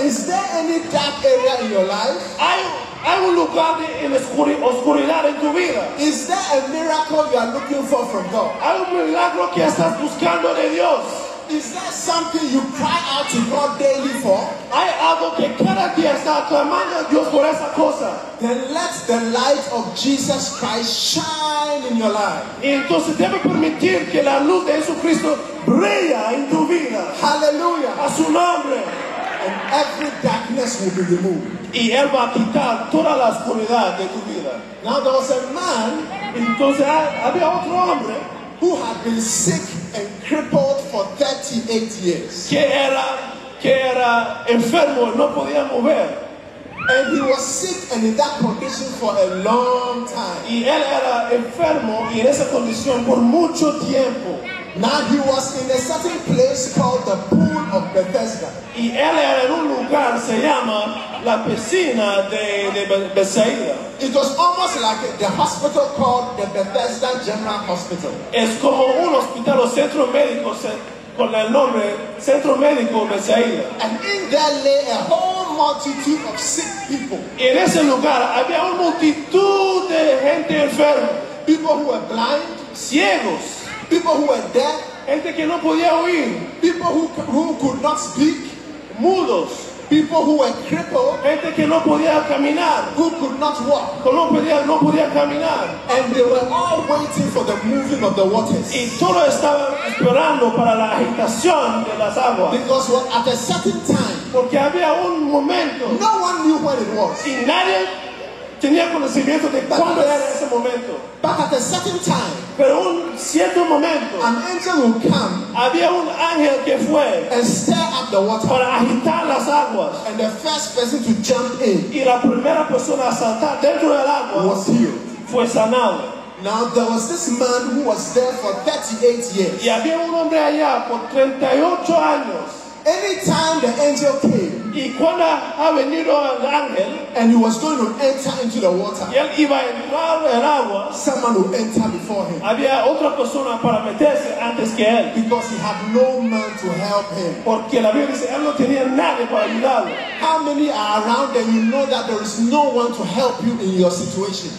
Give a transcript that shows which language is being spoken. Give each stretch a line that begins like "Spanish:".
English: Is there any dark area in your life? I will look out in
Spanish: oscuridad en tu vida.
English: Is there a miracle you are looking for from God?
Spanish: Hay un milagro que estás buscando de Dios.
English: Is there something you cry out to God daily for?
Spanish: Hay algo que cada día está clamando a Dios por esa cosa.
English: Then let the light of Jesus Christ shine in your life.
Spanish: Y entonces debe permitir que la luz de Jesucristo brilla en tu vida.
English: Hallelujah.
Spanish: A su nombre.
English: And every darkness will be removed.
Spanish: Y él va a quitar toda la oscuridad de tu vida.
English: Now there was a man.
Spanish: Entonces había otro hombre.
English: Who had been sick and crippled for 38 years.
Spanish: Que era enfermo, no podía mover.
English: And he was sick and in that condition for a long time.
Spanish: Y él era enfermo y en esa condición por mucho tiempo.
English: Now he was in a certain place called the Pool of Bethesda.
Spanish: Y él era en un lugar, se llama la piscina de Bethesda.
English: It was almost like the hospital called the Bethesda General Hospital.
Spanish: Es como un hospital o centro médico con el nombre Centro Médico Bethesda.
English: And in there lay a whole multitude of sick people.
Spanish: En ese lugar había una multitud de gente enferma.
English: People who were blind.
Spanish: Ciegos.
English: People who were deaf.
Spanish: Gente que no podía oír.
English: People who could not speak.
Spanish: Mudos.
English: People who were crippled.
Spanish: Gente que no podía caminar.
English: Who could not walk.
Spanish: No podía caminar.
English: And they were all waiting for the moving of the waters.
Spanish: Y todos estaban esperando para la agitación de las aguas.
English: Because at a certain time.
Spanish: Porque había un momento.
English: No one knew what it was.
Spanish: Y nadie tenía conocimiento de cuándo era ese momento.
English: But at a certain time.
Spanish: Pero un cierto momento.
English: An angel would come.
Spanish: Había un ángel que fue.
English: And stir up the water.
Spanish: Para agitar las aguas.
English: And the first person to jump in.
Spanish: Y la primera persona a saltar dentro del agua.
English: Was healed.
Spanish: Fue sanado.
English: Now there was this man who was there for 38 years.
Spanish: Y había un hombre allá por 38 años.
English: Anytime the angel came.
Spanish: Y cuando ha venido el ángel,
English: and he was going to enter into the water.
Spanish: Y él iba a entrar el agua.
English: Someone would enter before him.
Spanish: Había otra persona para meterse antes que él.
English: Because he had no man to help him.
Spanish: Porque la Biblia dice, él no tenía nadie para ayudarlo.
English: How many are around and you know that there is no one to help you in your situation?